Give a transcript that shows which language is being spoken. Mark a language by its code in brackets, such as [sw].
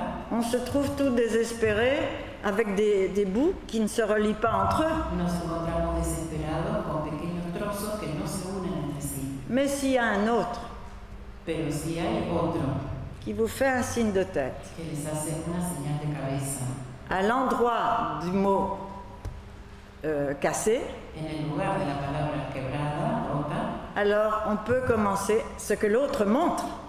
[fr] On se trouve tout désespéré avec des bouts qui ne se relient pas entre eux. [es] Nos encontramos desesperados con pequeños trozos que no se unen entre sí. [fr] Mais s'il y a un autre, [es] pero si hay otro, [fr] qui vous fait un signe de tête, [es] que les hace una señal de cabeza, [fr] à l'endroit du mot cassé, [es] en el lugar de la palabra quebrada, rota, [fr] alors on peut commencer ce que l'autre montre,